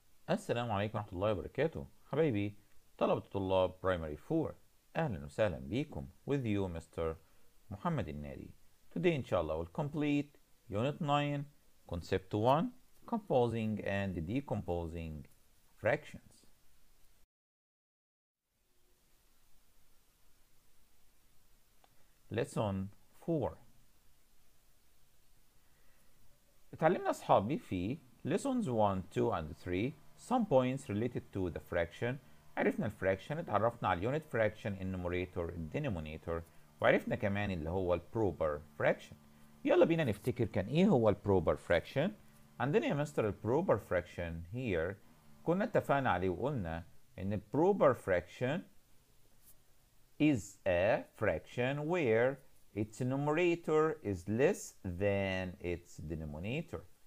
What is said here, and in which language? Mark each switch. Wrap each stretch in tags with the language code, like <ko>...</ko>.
<ar>السلام عليكم ورحمة الله وبركاته حبايبي طلبة طلاب برايمري 4، أهلا وسهلا بكم.</ar> <en>With you Mr. محمد النادي. Today</en> <ar>إن شاء الله</ar> <en>we'll complete Unit 9 Concept 1 Composing and Decomposing Fractions. Lesson 4</en> <ar>اتعلمنا أصحابي في</ar> <en>Lessons 1, 2 and 3 some points related to the fraction.</en> <ar>عرفنا الفراكشن، اتعرفنا على اليونت فراكشن، النوميريتور، الدينومينيتور، وعرفنا كمان اللي هو البروبر فراكشن. يلا بينا نفتكر كان ايه هو البروبر فراكشن. عندنا يا مستر البروبر فراكشن هير، كنا اتفقنا عليه وقلنا ان البروبر فراكشن</ar> <en>is a fraction where its numerator is less than its denominator.</en>